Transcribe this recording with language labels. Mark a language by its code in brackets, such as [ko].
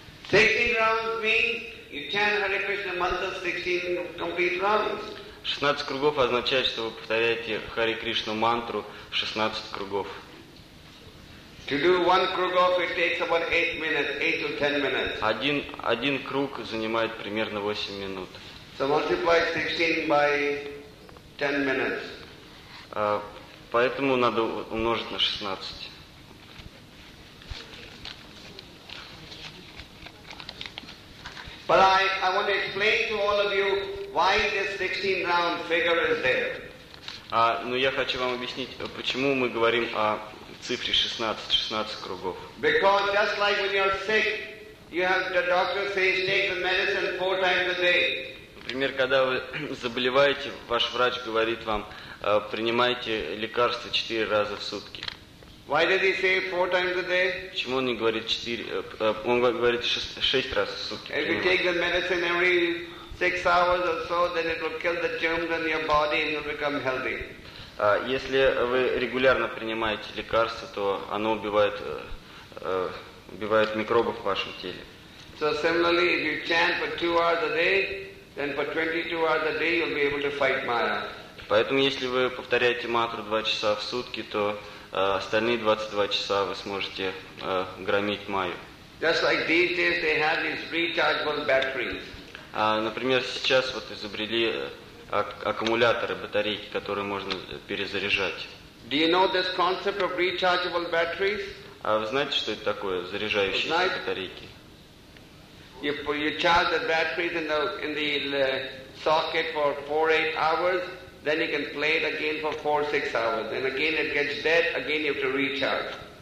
[en] 16 rounds means you chant Hare Krishna mantra 16 complete rounds. [ru] 16 кругов означает, что вы повторяете Hare Krishna мантру 16 кругов. [en] To do one krugof, it takes about 8 minutes, 8 to 10 minutes. [ru] Один круг занимает примерно 8 минут. [en] So multiply 16 by 10 minutes. [ru] Поэтому надо умножить на 16. [en] But I want to explain to all of you why this 16 round figure is there. [ru] Но я хочу вам объяснить, почему мы говорим о цифре 16 кругов. [en] Because just like when you're sick, you have the doctor say take the medicine 4 times a day. [ru] Например, когда вы заболеваете, ваш врач говорит вам, принимайте лекарства 4 раза в сутки. [en] Why did he say 4 times a day? [ru] Почему он не говорит 4, он говорит 6 раз в сутки. [en] If you take the medicine every 6 hours or so, then it will kill the germs in your body and you'll become healthy. [ru] Если вы регулярно принимаете лекарства, то оно убивает микробов в вашем теле. [en] So similarly, if you chant for 2 hours a day, then for 22 hours a day, you'll be able to fight Maya. [ru] Поэтому, если вы повторяете мантру 2 часа в сутки, то остальные 22 часа вы сможете громить майю. [en] Just like these days, they have these rechargeable batteries. [ru] Например, сейчас вот изобрели аккумуляторы, батарейки, которые можно перезаряжать. [en] Do you know this concept of rechargeable batteries? [ru] А вы знаете, что это такое, заряжающиеся батарейки? [en] You charge the batteries in the socket for 4-8 hours. Then you can play it again for 4-6 hours. And again it gets dead, again you have to recharge.